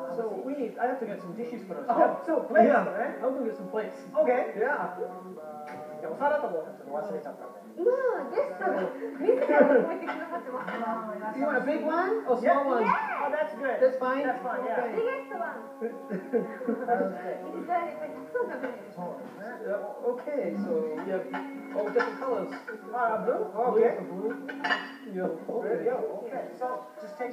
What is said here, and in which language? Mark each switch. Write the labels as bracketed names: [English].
[English] So we need, I have to get some dishes for us. Oh, yeah. So plates, yeah. Right? I'm gonna get some plates. Okay. Yeah. [Japanese] お皿とかちょっと忘れちゃった。うわ、ゲスト、みんな覚えてくださってます。 [English] You want a big one or small one? Yeah. Oh, that's good. That's fine. That's fine. Yeah. ゲスト one. That's good. [Japanese] いっぱい、たくさん食べる。そう。 [English] Okay. So yeah. Oh, different colors. Blue? Oh, okay. Blue. Yellow. Okay. Okay. So, just take